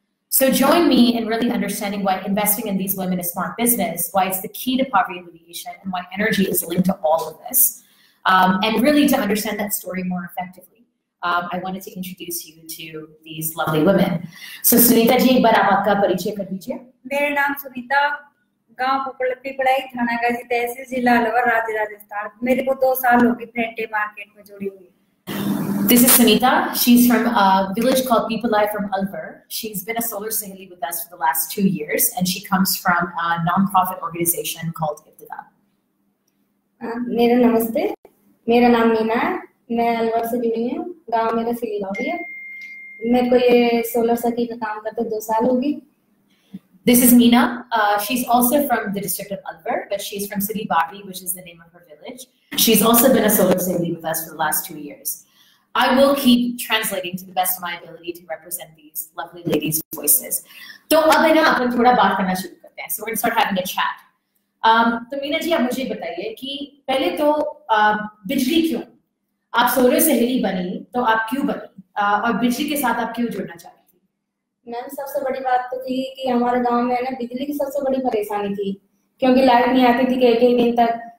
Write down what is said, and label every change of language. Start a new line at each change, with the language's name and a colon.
English: So join me in really understanding why investing in these women is smart business, why it's the key to poverty alleviation, and why energy is linked to all of this. And really to understand that story more effectively, I wanted to introduce you to these lovely women.
Hindi: So Sunita ji, bada aapka parichay kar dijiye. मेरा नाम सुनीता, गांव पुपलपी पढ़ाई थाना गाजी तहसील जिला अलवर राज्य राजस्थान। मेरे को 2 साल हो गए फ्रंटियर मार्केट में जुड़ी हुई।
English: This is Sunita. She's from a village called Pipalai from Alwar. She's been a solar sahili with us for the last 2 years, and she comes from a nonprofit organization called
Hindi: मेरा नमस्ते, मेरा नाम मीना है, मैं अलवर से जुड़ी हूँ, गांव मेरा सिलीलावी है। मेरे को ये सोलर सखी का काम करते 2 साल हो गए।
English: This is Meena. She's also from the district of Alwar, but she's from Sidi Babi, which is the name of her village. She's also been a solar sahili with us for the last 2 years. I will keep translating to the best of my ability to represent these lovely ladies' voices.
Hindi: तो अब है ना अपन थोड़ा बात करना शुरू करते हैं। है.
English: So we start having a chat.
Hindi: तो मीना जी आप मुझे बताइए कि पहले तो बिजली क्यों, आप सोलर सहेली बनी तो आप क्यों बनी और बिजली के साथ आप क्यों जुड़ना चाहती थी? मैम सबसे बड़ी बात तो थी कि हमारे गांव में ना बिजली की सबसे बड़ी परेशानी थी क्योंकि लाइट नहीं आती थी कई कई दिन तक.